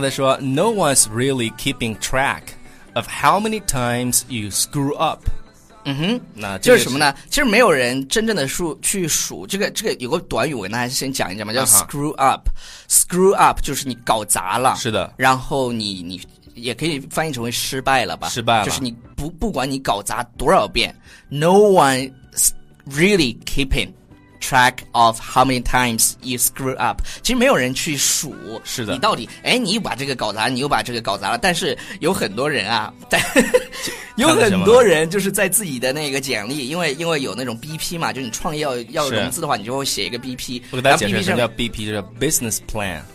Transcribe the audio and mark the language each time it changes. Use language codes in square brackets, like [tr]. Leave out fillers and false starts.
[zh] 呢说 [en] No one's really keeping track of how many times you screw up。 [zh] 那这个就是什么呢？其实没有人真正的去数这个有个短语我跟大家先讲一讲嘛，叫 screw up。 screw up 就是你搞砸了。是的。然后你也可以翻译成为失败了吧。失败了，就是你不管你搞砸多少遍， [en] No one's really keeping track of how many times you screw up。 [zh] 其实没有人去数。是的。你到底你又把这个搞砸了。但是有很多人啊，有很多人就是在自己的那个简历，因为有那种 BP 嘛，就你创业要融资的话，你就会写一个 BP。我给大家解释什么叫 BP， 就是 business plan。